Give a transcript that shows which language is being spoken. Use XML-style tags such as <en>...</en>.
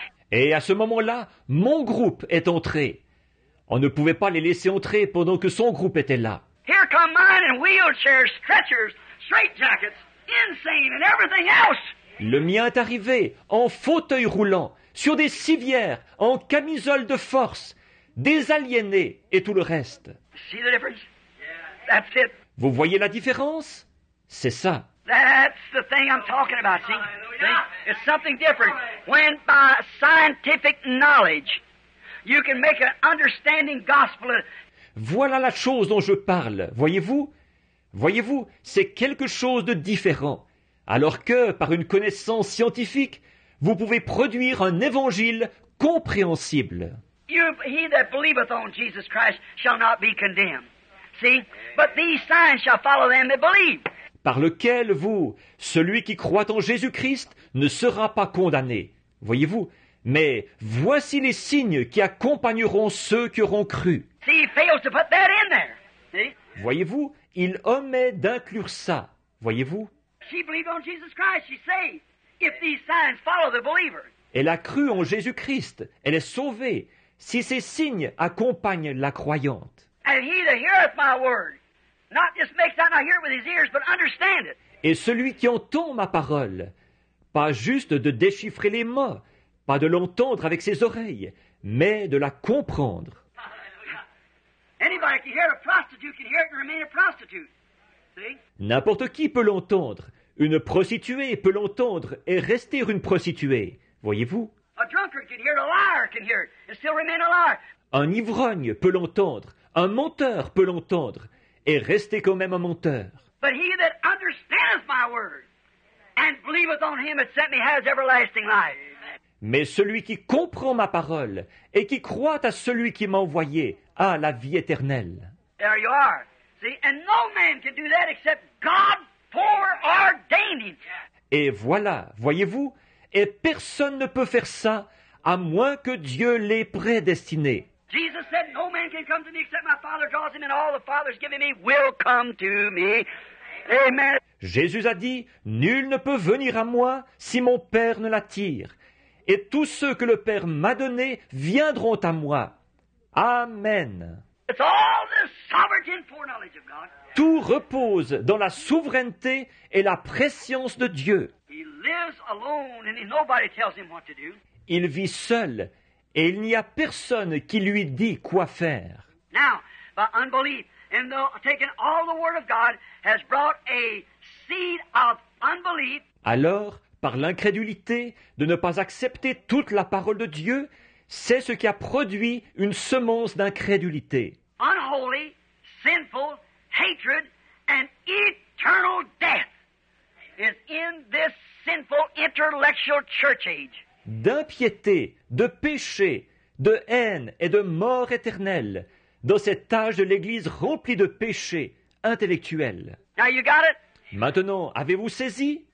<fr>Et à ce moment-là, mon groupe est entré. On ne pouvait pas les laisser entrer pendant que son groupe était là.</fr> <en>Here come mine and wheelchairs, stretchers, straitjackets, insane and everything else.</en> <fr>Le mien est arrivé en fauteuil roulant, sur des civières, en camisole de force, des aliénés et tout le reste.</fr> <en>See the difference? That's it.</en> <fr>Vous voyez la différence? C'est ça.</fr> <en>That's the thing I'm talking about, see? See? It's something different. When by scientific knowledge, you can make an understanding gospel.</en> <fr>Voilà la chose dont je parle, voyez-vous? Voyez-vous, c'est quelque chose de différent. Alors que, par une connaissance scientifique, vous pouvez produire un évangile compréhensible.</fr> <en>He that believeth on Jesus Christ shall not be condemned. See? But these signs shall follow them that believe.</en> <fr>Par lequel, vous, celui qui croit en Jésus-Christ, ne sera pas condamné. Voyez-vous? Mais voici les signes qui accompagneront ceux qui auront cru.</fr> <en>See, he fails to put that in there.</en> <fr>Voyez-vous? Il omet d'inclure ça. Voyez-vous?</fr> <en>She believed on Jesus Christ, she's saved. If these signs follow the believer.</en> <fr>Elle a cru en Jésus-Christ. Elle est sauvée. Si ces signes accompagnent la croyante.</fr> <en>And he that heareth my word, not just makes out, I hear it with his ears, but understand it.</en> <fr>Et celui qui entend ma parole, pas juste de déchiffrer les mots, pas de l'entendre avec ses oreilles, mais de la comprendre.</fr> <en>Anybody can hear a prostitute can hear it and remain a prostitute.</en> <fr>N'importe qui peut l'entendre. Une prostituée peut l'entendre et rester une prostituée. Voyez-vous?</fr> <en>A drunkard can hear it, a liar can hear it and still remain a liar.</en> <fr>Un ivrogne peut l'entendre. Un menteur peut l'entendre et rester quand même un menteur.</fr> <en>But he that understandeth my word and believeth on him that sent me has everlasting life.</en> <fr>Mais celui qui comprend ma parole et qui croit à celui qui m'a envoyé a la vie éternelle.</fr> <en>There you are. See, and no man can do that except God foreordaining.</en> <fr>Et voilà, voyez-vous, et personne ne peut faire ça à moins que Dieu l'ait prédestiné.</fr> <en>Jesus said, no man can come to me except my Father draws him, and all the Father's given me will come to me. Amen.</en> <fr>Jésus a dit, nul ne peut venir à moi si mon Père ne l'attire. Et tous ceux que le Père m'a donnés viendront à moi. Amen.</fr> <en>It's all the sovereignty and foreknowledge of God.</en> <fr>Tout repose dans la souveraineté et la prescience de Dieu.</fr> <en>He lives alone and nobody tells him what to do.</en> <fr>Il vit seul et il n'y a personne qui lui dit quoi faire.</fr> <en>Now, by unbelief, and though taking all the word of God has brought a seed of unbelief.</en> <fr>Alors, par l'incrédulité de ne pas accepter toute la parole de Dieu, c'est ce qui a produit une semence d'incrédulité.</fr> <en>Unholy, sinful, hatred, and eternal death is in this sinful intellectual church age.</en> <fr>D'impiété, de péché, de haine et de mort éternelle dans cet âge de l'Église rempli de péché intellectuel.</fr> <en>Now you got it?</en> <fr>Maintenant, avez-vous saisi?</fr>